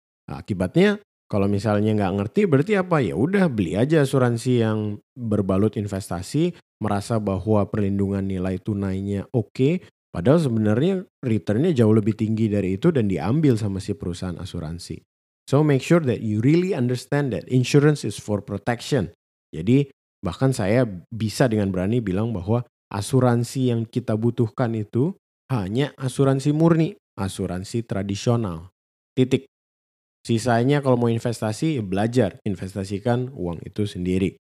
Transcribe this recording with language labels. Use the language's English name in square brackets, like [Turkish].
[Indonesian] Nah, akibatnya, kalau misalnya nggak ngerti, berarti apa? Ya udah, beli aja asuransi yang berbalut investasi, merasa bahwa perlindungan nilai tunainya oke, padahal sebenarnya returnnya jauh lebih tinggi dari itu dan diambil sama si perusahaan asuransi. [English] So make sure that you really understand that insurance is for protection. [Indonesian] Jadi bahkan saya bisa dengan berani bilang bahwa asuransi yang kita butuhkan itu hanya asuransi murni, asuransi tradisional. Titik. Sisanya kalau mau investasi, belajar. Investasikan uang itu sendiri.